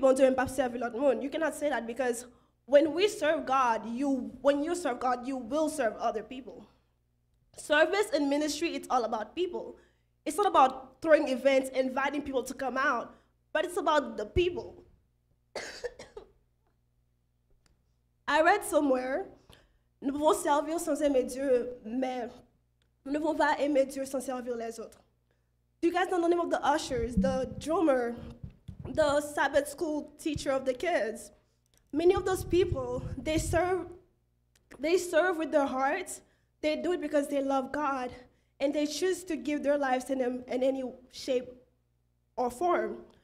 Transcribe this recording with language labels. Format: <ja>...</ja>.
<en>You cannot say that because when we serve God, when you serve God, you will serve other people. Service and ministry, it's all about people. It's not about throwing events, inviting people to come out, but it's about the people. I read somewhere,</en> <fr>nous pouvons servir sans aimer Dieu, mais nous ne pouvons pas aimer Dieu sans servir les autres.</fr> <en>Do you guys know the name of the ushers, the drummer, the Sabbath school teacher of the kids? Many of those people, they serve with their hearts. They do it because they love God, and they choose to give their lives to him in any shape or form.</en>